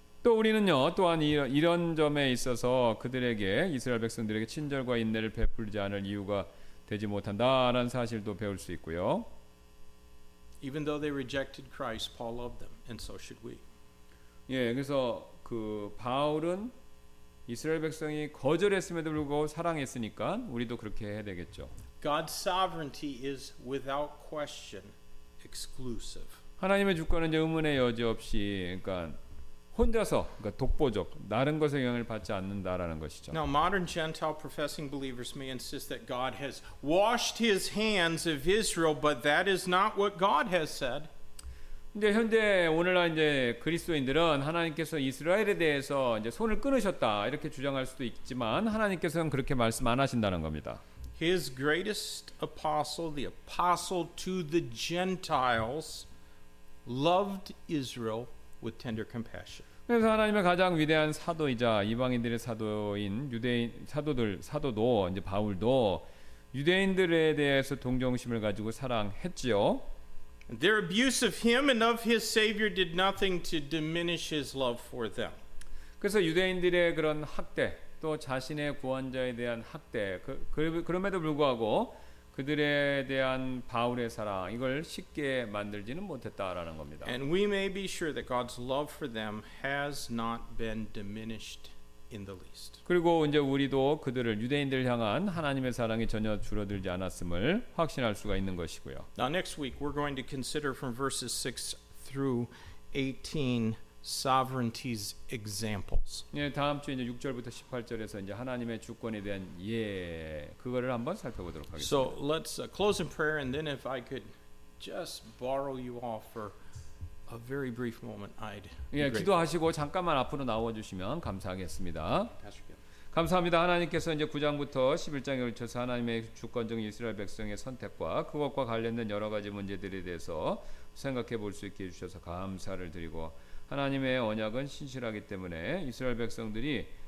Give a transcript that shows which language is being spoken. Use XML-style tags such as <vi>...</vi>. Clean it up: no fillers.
<ko>또 우리는요, 또한 이런 점에 있어서 그들에게 이스라엘 백성들에게 친절과 인내를 베풀지 않을 이유가 되지 못한다라는 사실도 배울 수 있고요.</ko> <en>Even though they rejected Christ, Paul loved them, and so should we.</en> <ko>예, 그래서 그 바울은 이스라엘 백성이 거절했음에도 불구하고 사랑했으니까 우리도 그렇게 해야 되겠죠.</ko> <en>God's sovereignty is without question exclusive.</en> <ko>하나님의 주권은 이제 의문의 여지 없이 그러니까 혼자서 그러니까 독보적 다른 것의 영향을 받지 않는다라는 것이죠.</ko> <en>Now modern Gentile professing believers may insist that God has washed his hands of Israel, but that is not what God has said.</en> <ko>이제 현재 오늘날 이제 그리스도인들은 하나님께서 이스라엘에 대해서 이제 손을 끊으셨다 이렇게 주장할 수도 있지만 하나님께서는 그렇게 말씀 안 하신다는 겁니다.</ko> <en>His greatest apostle, the apostle to the Gentiles, loved Israel with tender compassion.</en> <ko>그래서 하나님의 가장 위대한 사도이자 이방인들의 사도인 유대인 사도들 사도도 이제 바울도 유대인들에 대해서 동정심을 가지고 사랑했지요.</ko> <en>Their abuse of him and of his Savior did nothing to diminish his love for them.</en> <ko>그래서 유대인들의 그런 학대 또 자신의 구원자에 대한 학대 그럼에도 불구하고 그들에 대한 바울의 사랑 이걸 쉽게 만들지는 못했다라는 겁니다.</ko> <en>And we may be sure that God's love for them has not been diminished in the least.</en> <ko>그리고 이제 우리도 그들을 유대인들 향한 하나님의 사랑이 전혀 줄어들지 않았음을 확신할 수가 있는 것이고요.</ko> <en>Now next week we're going to consider from verses 6 through 18 sovereignty's examples.</en> <ko>예, 다음 주 이제 6절부터 18절에서 이제 하나님의 주권에 대한 예 그거를 한번 살펴보도록 하겠습니다.</ko> <en>So let's close in prayer and then if I could just borrow you all for a very brief moment, I'd.</en> <ko>예, 기도하시고 잠깐만 앞으로 나와 주시면 감사하겠습니다. 감사합니다. 하나님께서 이제 9장부터 11장에 걸쳐서 하나님의 주권적 이스라엘 백성의 선택과 그것과 관련된 여러 가지 문제들에 대해서 생각해 볼 수 있게 해주셔서 감사를 드리고, 하나님의 언약은 신실하기 때문에 이스라엘 백성들이</ko>